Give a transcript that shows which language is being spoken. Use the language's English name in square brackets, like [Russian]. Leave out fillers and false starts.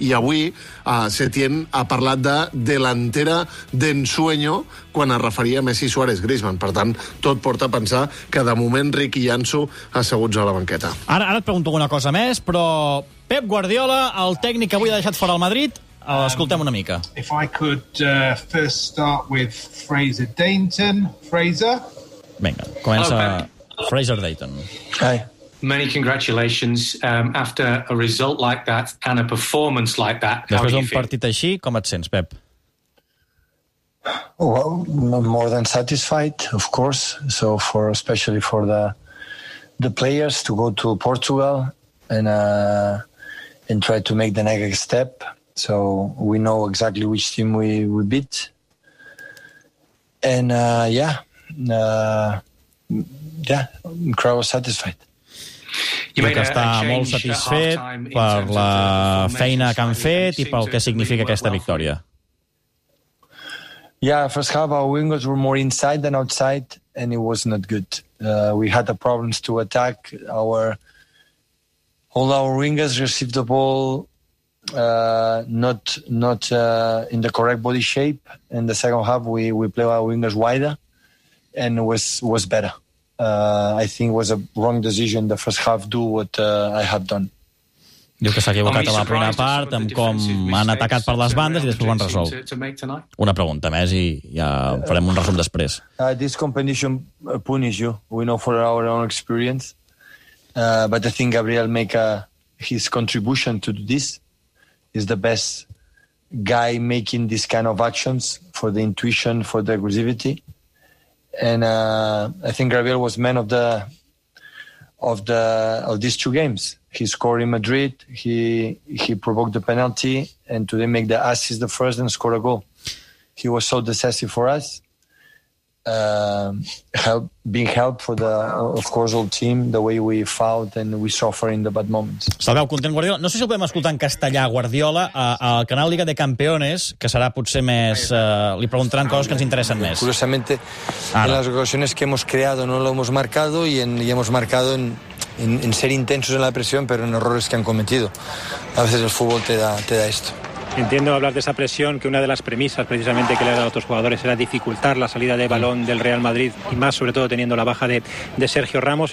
[Catalan] I avui Setién ha parlat de delantera d'ensueño quan es referia a Messi, Suárez, Griezmann. Per tant, tot porta a pensar que de moment Riqui i Ansu asseguts a la banqueta. Ara et pregunto una cosa més, però Pep Guardiola, el tècnic que avui ha deixat fora el Madrid, l'escoltem una mica. [English] If I could first start with Fraser Dayton. Fraser? Vinga, comença. Okay. Fraser Dayton. Hi. Many congratulations after a result like that and a performance like that. [Catalan] Després d'un partit així, com et sents, Pep? [English] Well, more than satisfied, of course. So especially for the players to go to Portugal and try to make the next step. So we know exactly which team we beat. And crowd was satisfied. [Catalan] Diu que està molt satisfet per la feina que han fet i pel que significa aquesta victòria. [English] Yeah, first half our wingers were more inside than outside and it was not good. We had the problems to attack. All our wingers received the ball not in the correct body shape. In the second half we played our wingers wider and was better. I think was a wrong decision the first half do what I have done. [Catalan] Diu que s'ha equivocat a la primera part amb com han atacat per les bandes i després ho han resolt. Una pregunta més i ja farem un resum després. [English] This competition punish you. We know for our own experience. But I think Gabriel make his contribution to this is the best guy making this kind of actions for the intuition, for the aggressivity. And I think Gabriel was man of these two games. He scored in Madrid, he provoked the penalty, and today make the assist the first and score a goal. He was so decisive for us. help being help for the of course all team the way we fought and we suffer in the bad moments. [Catalan] Sabeu, content Guardiola. No sé si el podem escoltar en castellà Guardiola al canal Liga de Campeones, que serà potser més li preguntaran coses que ens interessen més. [Spanish] Curiosamente en las ocasiones que hemos creado no lo hemos marcado y en y hemos marcado en ser intensos en la presión, pero en errores que han cometido. A veces el fútbol te da esto. Entiendo hablar de esa presión, que una de las premisas precisamente que le ha dado a otros jugadores era dificultar la salida de balón del Real Madrid, y más sobre todo teniendo la baja de Sergio Ramos.